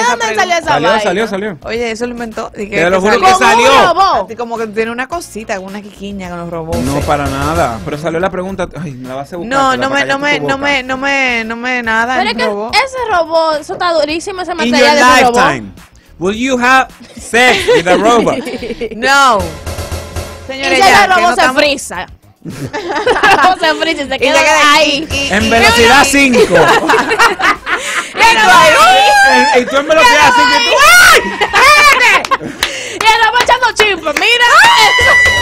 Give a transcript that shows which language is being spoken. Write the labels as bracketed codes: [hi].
[es] esa pregunta? ¿De dónde salió esa salió, vaina? Salió. Oye, eso lo inventó. Que te lo juro que salió. Y como que tiene una cosita, una quiquiña con los robots. No, para nada. Pero salió la pregunta. Ay, me la vas a buscar. No, no me nada. Pero es robot. Que ese robot, eso está durísimo, ese material de robot. [en] In your lifetime, will you have sex with a robot? [es] No. Señores, ya. Y si el robot se frisa. Se frisa y se queda ahí. En velocidad 5. Y el robot. Y tú en velocidad 5. ¡Ay! ¡Espérate! Y el robot echando chimpos. ¡Mira!